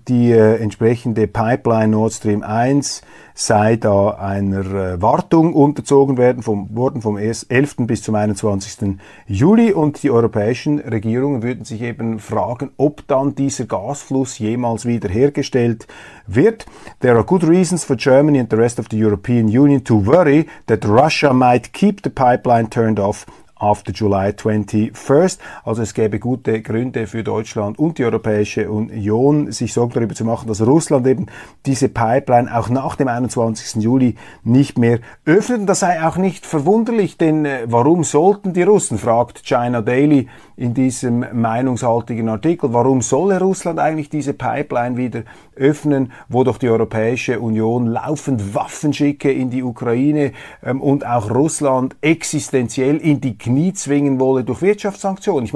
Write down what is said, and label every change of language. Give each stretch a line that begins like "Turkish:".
German: Die entsprechende Pipeline Nord Stream 1 sei da einer Wartung unterzogen worden vom 11. bis zum 21. Juli, und die europäischen Regierungen würden sich eben fragen, ob dann dieser Gasfluss jemals wieder hergestellt wird.
English: There are good reasons for Germany and the rest of the European Union to worry that Russia might keep the pipeline turned off after July 21st.
German: Also es gäbe gute Gründe für Deutschland und die Europäische Union, sich Sorgen darüber zu machen, dass Russland eben diese Pipeline auch nach dem 21. Juli nicht mehr öffnet. Und das sei auch nicht verwunderlich, denn warum sollten die Russen, fragt China Daily in diesem meinungshaltigen Artikel, warum solle Russland eigentlich diese Pipeline wieder öffnen, wo doch die Europäische Union laufend Waffen schicke in die Ukraine und auch Russland existenziell in die Knie zwingen wolle durch Wirtschaftssanktionen.